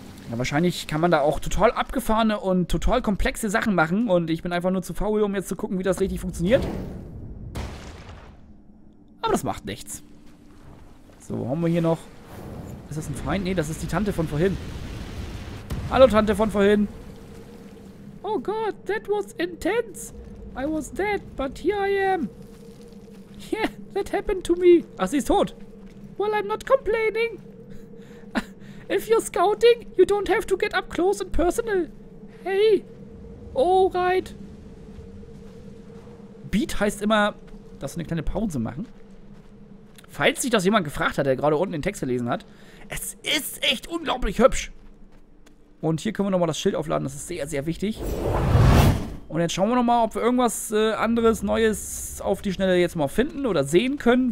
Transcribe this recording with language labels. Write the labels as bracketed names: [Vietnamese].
[German] Ja, wahrscheinlich kann man da auch total abgefahrene und total komplexe Sachen machen. Und ich bin einfach nur zu faul, um jetzt zu gucken, wie das richtig funktioniert. Aber das macht nichts. So, haben wir hier noch... Ist das ein Feind? Nee, das ist die Tante von vorhin. Hallo, Tante von vorhin. Oh Gott, [English] that was intense. I was dead, but here I am. Yeah, that happened to me. [German] Ach, sie ist tot. [English] Well, I'm not complaining. If you're scouting, you don't have to get up close and personal. Hey. Oh, right. [German] Beat heißt immer, dass wir eine kleine Pause machen. Falls sich das jemand gefragt hat, der gerade unten den Text gelesen hat. Es ist echt unglaublich hübsch. Und hier können wir nochmal das Schild aufladen. Das ist sehr, sehr wichtig. Und jetzt schauen wir nochmal, ob wir irgendwas anderes, Neues auf die Schnelle jetzt mal finden oder sehen können.